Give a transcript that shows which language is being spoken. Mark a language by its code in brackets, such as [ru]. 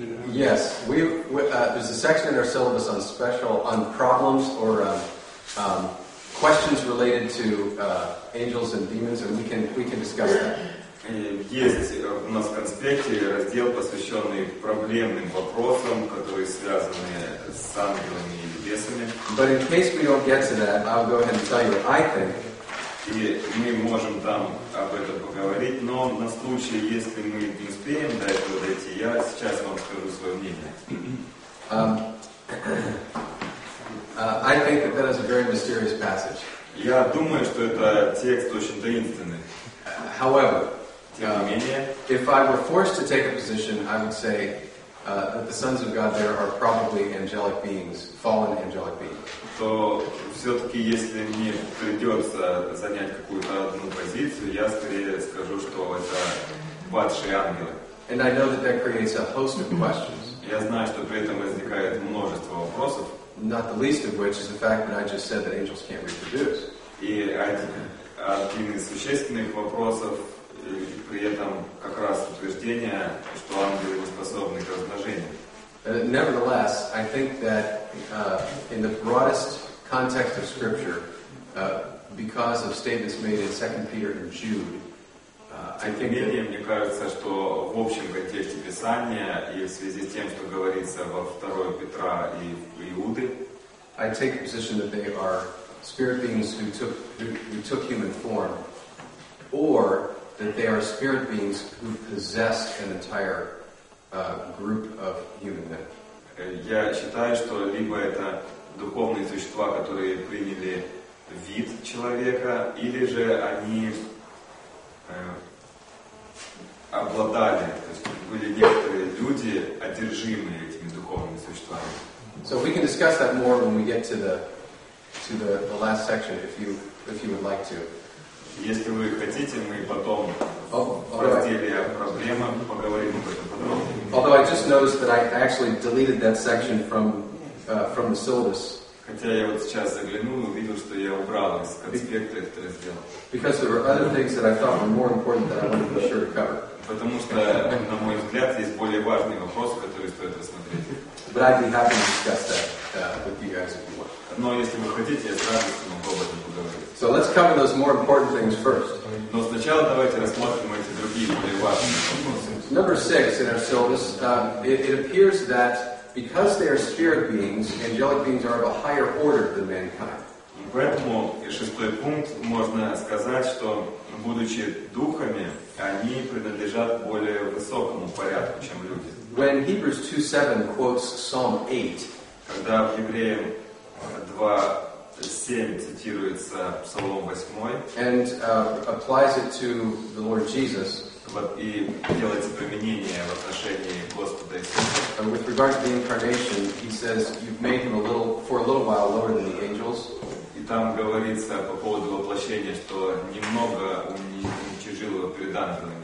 [en] Yes, there's a section in our syllabus on problems or questions related to angels and demons, and we can discuss that. [ru] Есть у нас в конспекте раздел, посвященный проблемным вопросам, которые связаны с ангелами и небесами. [en] But in case we don't get to that, I'll go ahead and tell you what I think. [ru] И мы можем там об этом поговорить, но на случай, если мы не успеем до этого дойти, я сейчас вам скажу свое мнение. [en] I think that is a very mysterious passage. [ru] Я думаю, что это текст очень таинственный. [en] However, [ru] тем не менее, [en] if I were forced to take a position, I would say that the sons of God there are probably angelic beings, fallen angelic beings. [ru] То все-таки если мне придется занять какую-то одну позицию, я скорее скажу, что это падшие ангелы. [en] And I know that that creates a host of questions. [ru] Я знаю, что при этом возникает множество вопросов. [en] Not the least of which is the fact that I just said that angels can't reproduce. [ru] И один из существенных вопросов, при этом как раз утверждение, что ангелы не способны к размножению. [en] Nevertheless, I think that in the broadest context of Scripture, because of statements made in 2 Peter and Jude, [ru] мне кажется, что в общем контексте Писания и в связи с тем, что говорится во 2 Петра и Иуды, [en] I take the position that they are spirit beings who took human form, or that they are spirit beings who possessed an entire group of human men. [ru] Я считаю, что либо это духовные существа, которые приняли вид человека, или же они обладали, то есть были некоторые люди, одержимые этими духовными существами. [en] So we can discuss that more when we get to the last section, if you would like to. [ru] Если вы хотите, мы потом в разделе о проблемах поговорим об этом подробнее. [en] Although I just noticed that I actually deleted that section from the syllabus. [ru] Хотя я вот сейчас заглянул и увидел, что я убрал из конспекта этот раздел. [en] Because there were other things that I thought were more important that I wanted to be sure to cover. [ru] Потому что, на мой взгляд, есть более важные вопросы, которые стоит рассмотреть. [en] But I'd be happy to discuss that with you guys if you want. [ru] Но если вы хотите, я с радостью могу об этом поговорить. [en] So let's cover those more important things first. [ru] Но сначала давайте рассмотрим эти другие более важные вопросы. [en] Number six in our syllabus, it appears that because they are spirit beings, angelic beings are of a higher order than mankind. [ru] Поэтому, шестой пункт, можно сказать, что будучи духами, они принадлежат более высокому порядку, чем люди. [en] When Hebrews 2:7 quotes Psalm 8, [ru] когда в Евреям 2:7 цитируется Псалом 8, [en] and applies it to the Lord Jesus, [ru] и делается применение в отношении Господа Иисуса. [en] And with regard to the incarnation, he says, "You've made him for a little while lower than the angels." [ru] И там говорится по поводу воплощения, что немного уничижил его перед ангелами.